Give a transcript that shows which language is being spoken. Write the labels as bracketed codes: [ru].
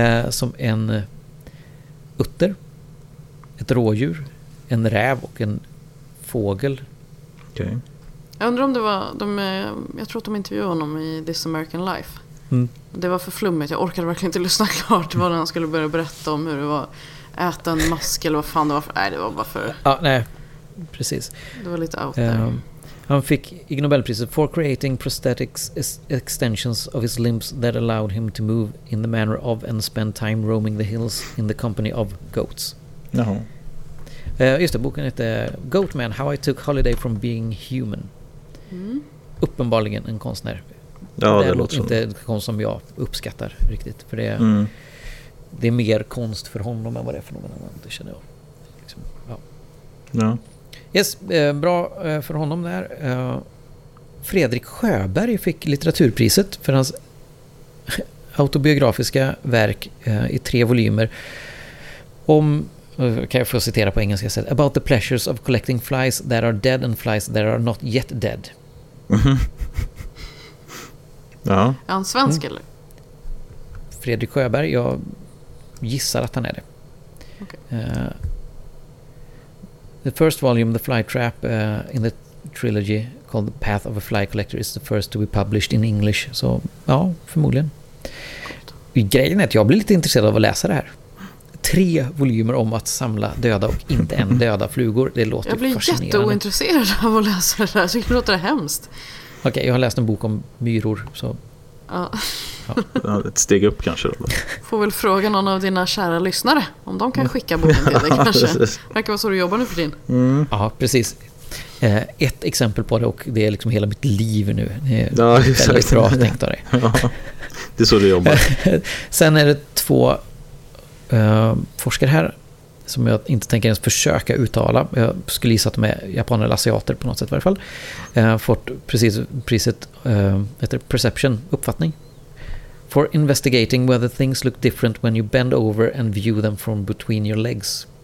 [sv] Som en utter, ett rådjur, en räv och en fågel. [en] Okay. [sv] Jag undrar om det var jag tror att de intervjuade honom i This American Life. Mm. Det var för flummigt, jag orkade verkligen inte lyssna klart vad han skulle börja berätta om, hur det var äta en mask eller vad fan det var. Nej, det var bara för... Ja, nej. Precis. Det var lite [en] out there. [sv] Han fick Ig Nobelpriset [en] for creating prosthetics extensions of his limbs that allowed him to move in the manner of and spend time roaming the hills in the company of goats. [sv] Jaha. Just det, boken heter Goatman, How I Took Holiday from Being Human. Mm. Uppenbarligen en konstnär. Ja, det låter inte som... konst som jag uppskattar riktigt. För det är, det är mer konst för honom än vad det är för någon annan, det känner jag. Liksom, ja. Ja. Yes, bra för honom där. Fredrik Sjöberg fick litteraturpriset för hans autobiografiska verk i tre volymer om, kan jag få citera på engelska, sätt, [en] about the pleasures of collecting flies that are dead and flies that are not yet dead. [sv] Ja. Är han svensk eller? Fredrik Sjöberg, jag gissar att han är det. Okej. [en] The first volume, The Fly Trap, in the trilogy called The Path of a Fly Collector is the first to be published in English. [sv] Så ja, förmodligen. Gott. Grejen är att jag blir lite intresserad av att läsa det här. Tre volymer om att samla döda och inte en döda flugor. Det låter fascinerande. Jag blir jätteointresserad av att läsa det här. Det låter hemskt. Okej, okay, jag har läst en bok om myror. Så. Ja. Ett steg upp kanske då. Får väl fråga någon av dina kära lyssnare om de kan skicka boken till dig kanske. Verkar vara så du jobbar nu för din. Ja, precis. Ett exempel på det, och det är liksom hela mitt liv nu. Ja, väldigt bra tänkt av det. Det är så du jobbar. Sen är det två forskare här som jag inte tänker ens försöka uttala. Jag skulle gissa att de är japaner eller asiater på något sätt i varje fall. Fått precis priset heter Perception, uppfattning. [en] For investigating whether things look different when you bend over and view them from between your legs.